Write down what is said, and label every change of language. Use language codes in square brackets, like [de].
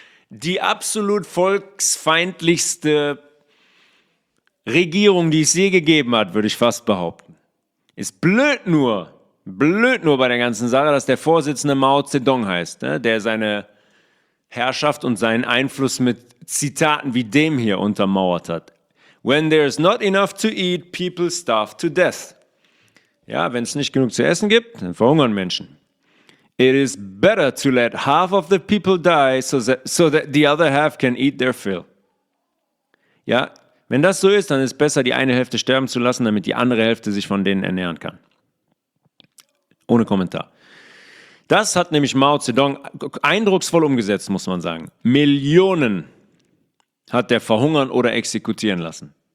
[de] Die absolut volksfeindlichste Regierung, die es je gegeben hat, würde ich fast behaupten. Ist blöd nur bei der ganzen Sache, dass der Vorsitzende Mao Zedong heißt, ne, der seine Herrschaft und seinen Einfluss mit Zitaten wie dem hier untermauert hat. [en] When there is not enough to eat, people starve to death. [de] Ja, wenn es nicht genug zu essen gibt, dann verhungern Menschen. [en] It is better to let half of the people die, so that the other half can eat their fill. [de] Ja, wenn das so ist, dann ist es besser, die eine Hälfte sterben zu lassen, damit die andere Hälfte sich von denen ernähren kann. Ohne Kommentar. Das hat nämlich Mao Zedong eindrucksvoll umgesetzt, muss man sagen. Millionen hat er verhungern oder exekutieren lassen.